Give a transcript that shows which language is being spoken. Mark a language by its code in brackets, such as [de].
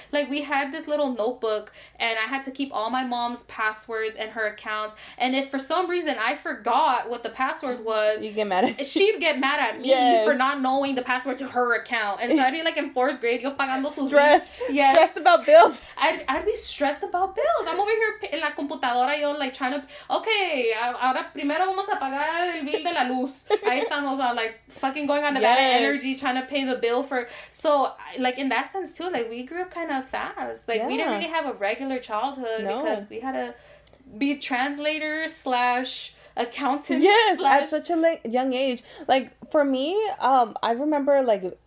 [en] Like, we had this little notebook, and I had to keep all my mom's passwords and her accounts. And if for some reason I forgot what the password was... You'd get mad at me. She'd get mad at me for not knowing the password to her account. And so I'd be, like, in fourth grade, [es] yo pagando [en] sus. Stressed about bills. I'd be stressed about bills. I'm over here in [es] la computadora, yo, [en] like, trying to... [es] Okay, ahora primero vamos a pagar el bill de la luz. Ahí estamos, [en] like, fucking going on the bad energy, trying to pay the bill for... So, like, in that sense, too, like, we grew up kind of fast. Like, we didn't really have a regular childhood because we had to be translators slash accountants. At such a young age. Like, for me, I remember, like...